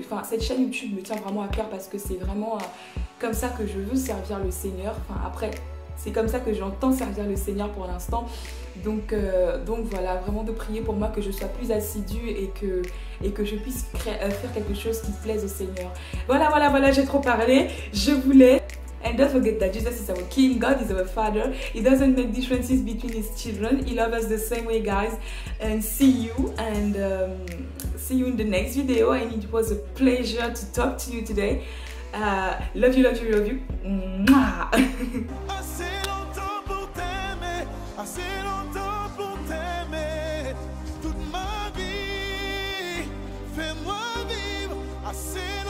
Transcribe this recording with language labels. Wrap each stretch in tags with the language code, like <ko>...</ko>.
<fr>Enfin, cette chaîne YouTube me tient vraiment à cœur. Parce que c'est vraiment comme ça que je veux servir le Seigneur. Enfin, après... C'est comme ça que j'entends servir le Seigneur pour l'instant. Donc voilà, vraiment de prier pour moi que je sois plus assidue et que je puisse faire quelque chose qui plaise au Seigneur. Voilà, j'ai trop parlé. Je voulais...</fr> <en>And don't forget that Jesus is our King, God is our Father. He doesn't make differences between his children. He loves us the same way, guys. And see you. And see you in the next video. And it was a pleasure to talk to you today. Love you. Mouah.</en> <fr>Assez longtemps pour t'aimer, assez longtemps pour t'aimer. Toute ma vie, fais-moi vivre assez.</fr>